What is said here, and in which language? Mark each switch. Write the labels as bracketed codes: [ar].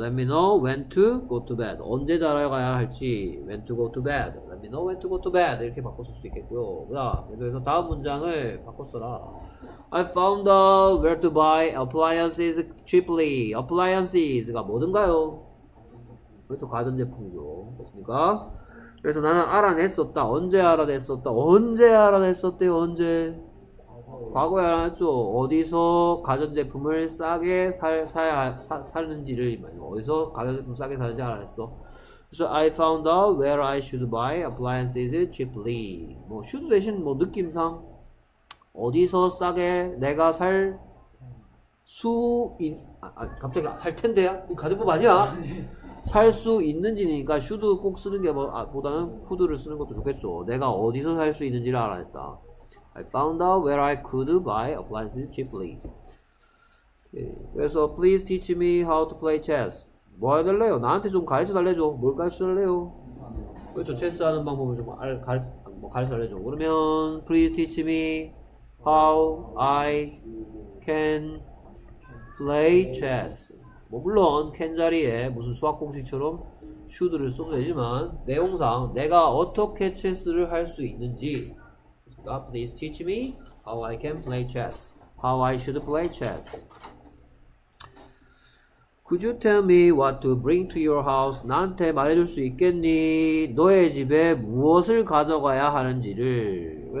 [en] Let me know when to go to bed. [ko] 언제 자러가야 할지. [en] When to go to bed. Let me know when to go to bed. [ko] 이렇게 바꿨을 수 있겠고요. 그래서 다음 문장을 바꿨어라. [en] I found out where to buy appliances cheaply. [ko] Appliances가 뭐든가요? 그렇죠. 가전제품이죠. 그렇습니까? 그래서 나는 알아냈었다. 언제 알아냈었다. 언제 알아냈었대요. 언제. 과거에 알았죠. 어디서 가전제품을 싸게 사는지를 어디서 가전제품 싸게 사는지 알았어. [en] So I found out where I should buy appliances cheaply. [ko] 뭐 should 대신 뭐 느낌상 어디서 싸게 내가 살 수 있 아 갑자기 살 텐데야? 가전제품 아니야? 살 수 있는지니까 should 꼭 쓰는 게 보다는 could를 쓰는 것도 좋겠죠. 내가 어디서 살 수 있는지를 알아냈다. [en] I found out where I could buy appliances cheaply. Okay. [ko] 그래서 [en] please teach me how to play chess. [ko] 뭐 해야 될래요? 나한테 좀 가르쳐 달래줘. 뭘 가르쳐 달래요? 그렇죠. 체스 하는 방법을 좀 가르쳐 달래줘. 그러면 [en] please teach me how I can play chess. [ko] 뭐 물론 can 자리에 무슨 수학 공식처럼 should를 써도 되지만 내용상 내가 어떻게 체스를 할 수 있는지. [en] God, please teach me how I can play chess. How I should play chess. Could you tell me what to bring to your house? [ko] 나한테 말해줄 수 있겠니? 너의 집에 무엇을 가져가야 하는지를.